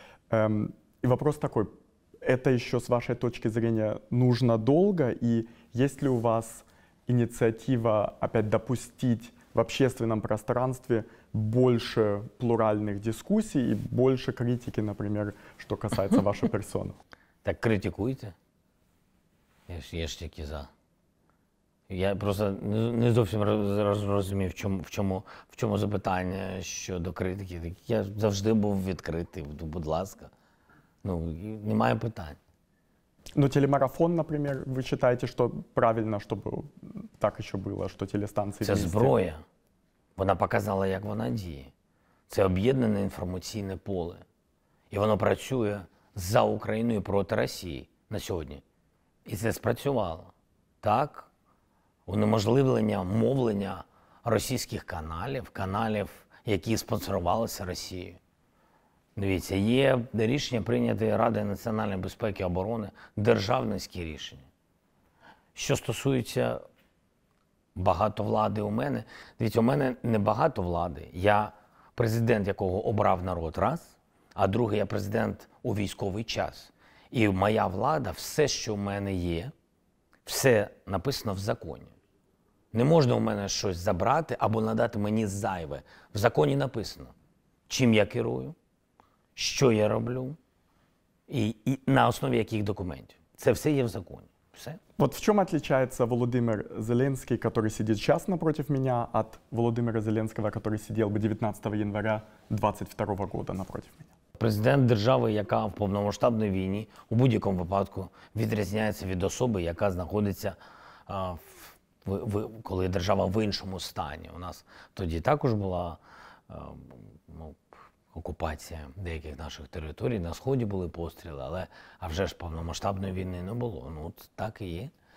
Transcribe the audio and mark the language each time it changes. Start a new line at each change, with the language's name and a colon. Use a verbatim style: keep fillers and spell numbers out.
Russian: Эм, и вопрос такой, это еще с вашей точки зрения нужно долго, и есть ли у вас инициатива опять допустить в общественном пространстве больше плуральных дискуссий и больше критики, например, что касается вашей персоны?
Ukrainian: Так критикуйте. Я ж, я ж тільки за. Я просто не, не зовсім роз, розумів, в чому, в, чому, в чому запитання щодо критики. Я завжди був відкритий, будь ласка. Ну, немає питань.
Russian: Ну, телемарафон, например, вы считаете, что правильно, чтобы так еще было, что телестанции...
Ukrainian: Це зброя. Вона показала, як вона діє. Це об'єднане інформаційне поле. І воно працює за Україну і проти Росії на сьогодні. І це спрацювало. Так, унеможливлення мовлення російських каналів, каналів, які спонсорувалися Росією. Дивіться, є рішення прийняті Радою національної безпеки і оборони, державницькі рішення. Що стосується багато влади у мене, дивіться, у мене не багато влади. Я президент, якого обрав народ, раз, а другий, я президент у військовий час. І моя влада, все, що у мене є, все написано в законі. Не можна у мене щось забрати або надати мені зайве. В законі написано, чим я керую, що я роблю, і, і на основі яких документів. Це все є в законі. Все.
Russian: Вот в чем отличается Володимир Зеленский, который сидит сейчас напротив меня, от Володимира Зеленского, который сидел бы
Ukrainian: дев'ятнадцятого
Russian: января двадцять другого года напротив меня?
Ukrainian: Президент держави, яка в повномасштабній війні, у будь-якому випадку відрізняється від особи, яка знаходиться, а, в, в, коли держава в іншому стані. У нас тоді також була а, ну, окупація деяких наших територій, на Сході були постріли, але а вже ж повномасштабної війни не було. Ну, от так і є.